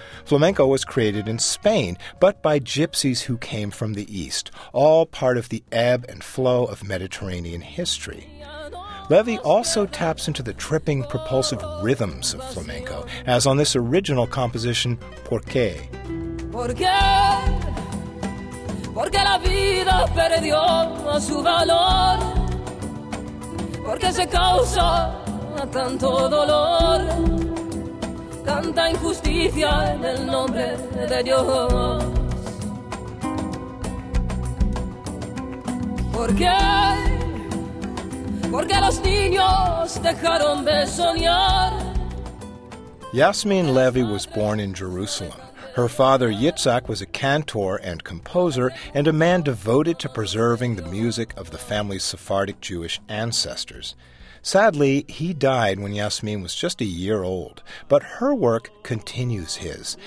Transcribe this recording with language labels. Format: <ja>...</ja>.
<en>Flamenco was created in Spain, but by gypsies who came from the East, all part of the ebb and flow of Mediterranean history. Levy also taps into the tripping, propulsive rhythms of flamenco, as on this original composition, Por qué?</en> <es>Por qué? Porque la vida perdió su valor. Porque se causa tanto dolor. Tanta injusticia en el nombre de Dios. Por qué? Porque los niños dejaron de soñar.</es> <en>Yasmin Levy was born in Jerusalem. Her father, Yitzhak, was a cantor and composer and a man devoted to preserving the music of the family's Sephardic Jewish ancestors. Sadly, he died when Yasmin was just a year old, but her work continues his.</en>